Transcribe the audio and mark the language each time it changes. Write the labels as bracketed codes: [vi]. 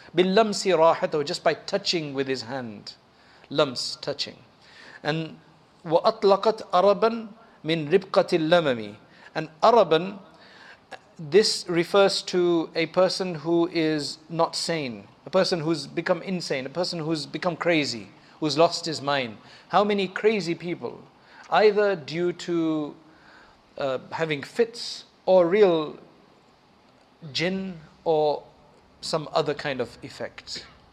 [ar] بِاللَّمْسِ رَاحَتَهُ, [en] just by touching with his hand. Lams, touching. [ar] And وَأَطْلَقَتْ أَرَبًا مِّنْ رِبْقَةِ اللَّمَمِ. [en] And أَرَبًا, this refers to a person who is not sane, a person who's become insane, a person who's become crazy, who's lost his mind. How many crazy people, either due to having fits or real jinn or some other kind of effect.